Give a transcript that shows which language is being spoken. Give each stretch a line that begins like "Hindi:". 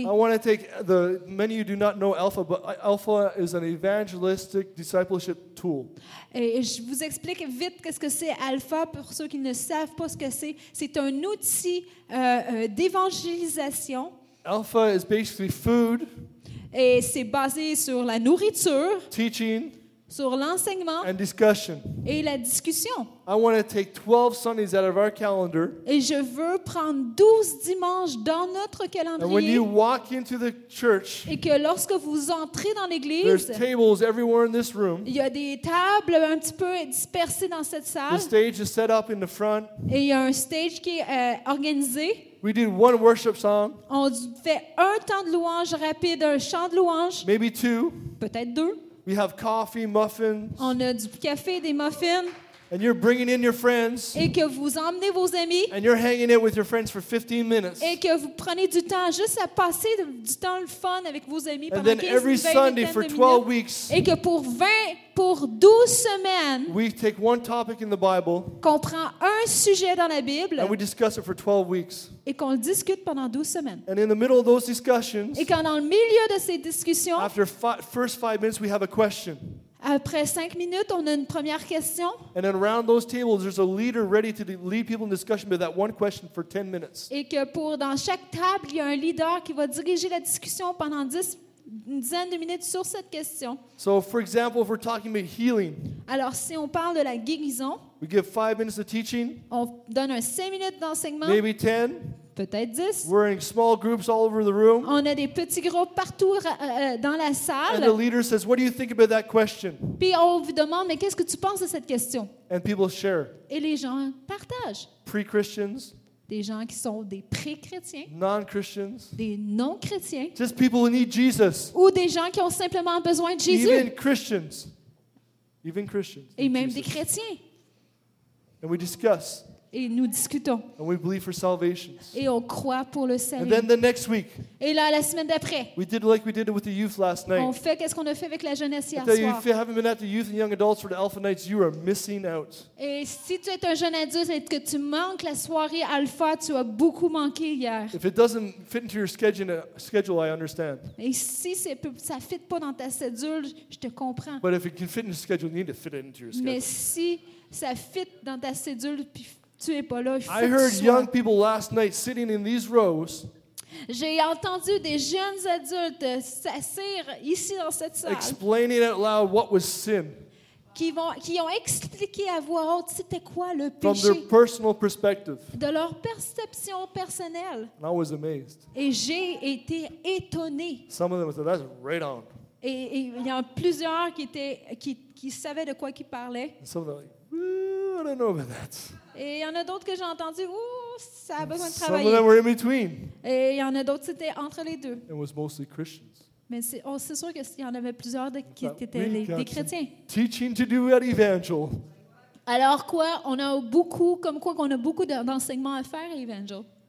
English: I want to take the many of you do not know Alpha, but Alpha is an evangelistic discipleship tool.
French: Et je vous explique vite qu'est-ce que c'est Alpha pour ceux qui ne savent pas ce que c'est. C'est un outil d'évangélisation.
English: Alpha is basically food.
French: Et c'est basé sur la nourriture.
English: Teaching.
French: Sur l'enseignement
English: and discussion.
French: Et la discussion.
English: I want to take 12 Sundays out of our calendar.
French: Et je veux prendre 12 dimanches dans notre calendrier.
English: And when you walk into the church,
French: et que lorsque vous entrez dans l'église,
English: there's tables everywhere in this room.
French: Il y a des tables un petit peu dispersées dans cette salle.
English: The stage is set up in the front.
French: Et il y a un stage qui est organisé.
English: We do one worship song.
French: On fait un temps de louange rapide, un chant de louange.
English: Maybe two.
French: Peut-être deux.
English: We have coffee, muffins.
French: On a du café, des muffins.
English: And you're bringing in your friends.
French: Et que vous emmenez vos amis.
English: And you're hanging out with your friends for 15 minutes.
French: Et que vous prenez du temps juste à passer du temps le fun avec vos amis pendant 15 minutes.
English: And then every Sunday for 12 weeks.
French: Et que pour 12 semaines.
English: We take one topic in the Bible.
French: Qu'on prend un sujet dans la Bible.
English: And we discuss it for 12 weeks.
French: Et qu'on le discute pendant 12 semaines.
English: And in the middle of those discussions.
French: Et quand dans le milieu de ces discussions.
English: After first 5 minutes, we have a question.
French: À Après 5 minutes, on a une première question.
English: And then around those tables, there's a leader ready to lead people in discussion with that one question for 10 minutes.
French: Et que pour dans chaque table, il y a un leader qui va diriger la discussion pendant 10 une dizaine de minutes sur cette question.
English: So for example, if we're talking about healing.
French: Alors si on parle de la guérison,
English: we give 5 minutes of teaching.
French: On donne un 5 minutes d'enseignement.
English: Maybe 10.
French: Peut-être 10.
English: We're in small groups all over the room.
French: On a des petits groupes partout dans la salle.
English: And the leader says, "What do you think about that question?"
French: Puis on vous demande, mais qu'est-ce que tu penses de cette question?
English: And people share.
French: Et les gens partagent.
English: Pre-Christians.
French: Des gens qui sont des pré-chrétiens.
English: Non-Christians.
French: Des non-chrétiens.
English: Just people who need Jesus.
French: Ou des gens qui ont simplement besoin de Jésus.
English: Even Christians. Even Christians.
French: Et même Jesus. Des chrétiens.
English: And we discuss.
French: Et nous discutons.
English: And we believe for salvation.
French: Et on croit pour le salut.
English: And then the next week.
French: Et là, la semaine d'après.
English: We did like we did it with the youth last night.
French: On fait qu'est-ce qu'on a fait avec la jeunesse hier soir.
English: If you haven't been at the youth and young adults for the Alpha Nights, you are missing out.
French: Et si tu es un jeune adulte et que tu manques la soirée Alpha, tu as beaucoup manqué hier.
English: If it doesn't fit into your schedule, I understand.
French: Et si ça fit pas dans ta schedule, je te comprends.
English: But if it can fit in your schedule, you need to fit it into your schedule.
French: Mais si ça fit dans ta schedule, puis tu es pas là,
English: I heard young people last night sitting in these rows.
French: J'ai entendu des jeunes adultes s'asseoir ici dans cette salle.
English: Explaining out loud what was sin.
French: Qui ont expliqué à voix haute c'était quoi le péché.
English: From their personal perspective.
French: De leur perception personnelle.
English: And I was amazed.
French: Et j'ai été étonné.
English: Some of them said that's right on.
French: Et il y en a plusieurs qui savaient de quoi qui parlaient.
English: Some of them like, I don't know about that.
French: Et il y en a d'autres que j'ai entendu, ouh, ça a besoin de travailler.
English: Some of them were in between.
French: Et il y en a d'autres, c'était entre les deux.
English: It was mostly Christians.
French: Mais c'est sûr qu'il y en avait plusieurs qui étaient des chrétiens.
English: Teaching to do at Evangel.
French: Alors quoi, on a beaucoup, comme quoi qu'on a beaucoup d'enseignements à faire à Evangel.